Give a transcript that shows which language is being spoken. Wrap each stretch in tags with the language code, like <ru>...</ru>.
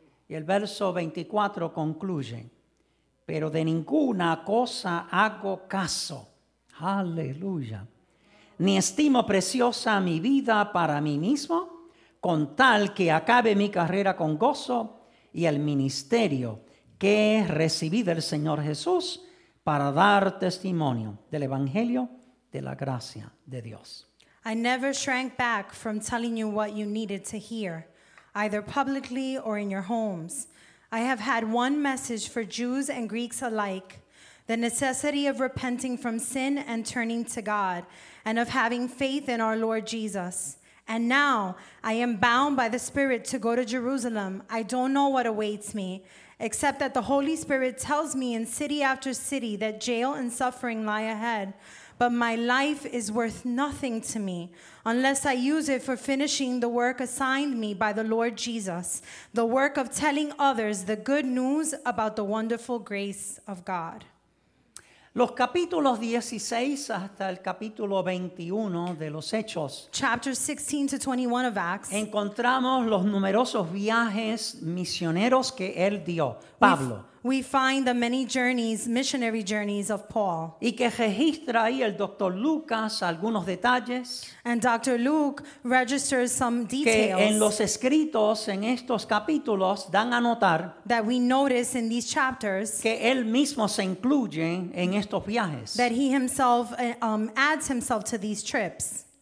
<es>Y el verso 24 concluye, pero de ninguna cosa hago caso, aleluya, ni estimo preciosa mi vida para mí mismo, con tal que acabe mi carrera con gozo y el ministerio que recibí del Señor Jesús para dar testimonio del Evangelio de la gracia de Dios.</es> <en>I never shrank back from telling you what you needed to hear, either publicly or in your homes. I have had one message for Jews and Greeks alike, the necessity of repenting from sin and turning to God, and of having faith in our Lord Jesus. And now I am bound by the Spirit to go to Jerusalem. I don't know what awaits me, except that the Holy Spirit tells me in city after city that jail and suffering lie ahead. But my life is worth nothing to me unless I use it for finishing the work assigned me by the Lord Jesus, the work of telling others the good news about the wonderful grace of God.</en> <es>Los capítulos 16 hasta el capítulo 21 de los Hechos.</es> <en>Chapter 16 to 21 of Acts.</en> <es>Encontramos los numerosos viajes misioneros que él dio, Pablo.</es> <en>We find the many journeys, missionary journeys of Paul.</en> <es>Y que registra ahí el Dr. Lucas algunos detalles.</es> <en>And Dr. Luke registers some details.</en> <es>Que en los escritos en estos capítulos dan a notar.</es> <en>That we notice in these chapters.</en> <es>Que él mismo se incluye en estos viajes.</es> <en>That he himself adds himself to these trips.</en>